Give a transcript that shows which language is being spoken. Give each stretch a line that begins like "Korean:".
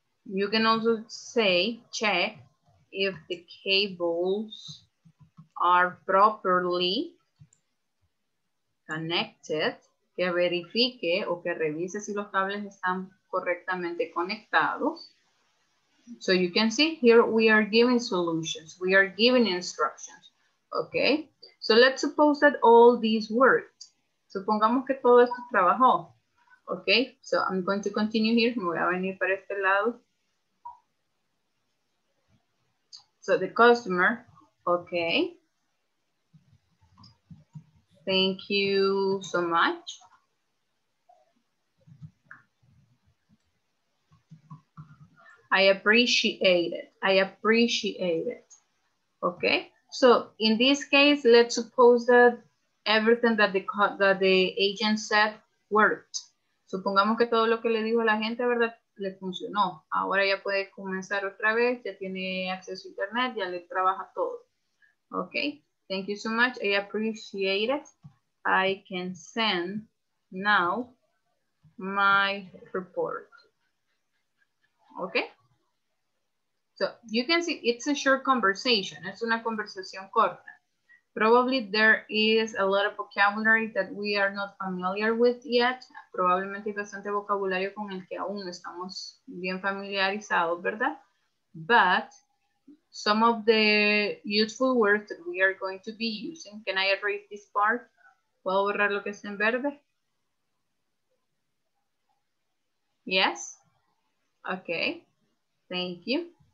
English: You can also say, check if the cables are properly connected.
Spanish: Que verifique o que revise si los cables están correctamente conectados.
English: So you can see here we are giving solutions. We are giving instructions. Okay. So let's suppose that all these worked.
Spanish: Supongamos que todo esto trabajó.
English: Okay. So I'm going to continue here.
Spanish: Me voy a venir para este lado.
English: So the customer, okay. Thank you so much. I appreciate it. Okay. So in this case, let's suppose that everything that the agent said worked.
Spanish: Supongamos que todo lo que le dijo a la gente, ¿verdad? Le funcionó. Ahora ya puede comenzar otra vez. Ya tiene acceso a internet. Ya le trabaja todo.
English: Okay. Thank you so much. I appreciate it. I can send now my report. Okay. So you can see it's a short conversation.
Spanish: Es una conversación corta.
English: Probably there is a lot of vocabulary that we are not familiar with yet.
Spanish: Probablemente hay bastante vocabulario con el que aún no estamos bien familiarizados, ¿verdad?
English: But some of the useful words that we are going to be using. Can I erase this part?
Spanish: ¿Puedo borrar lo que está en verde?
English: Yes? Okay. Thank you.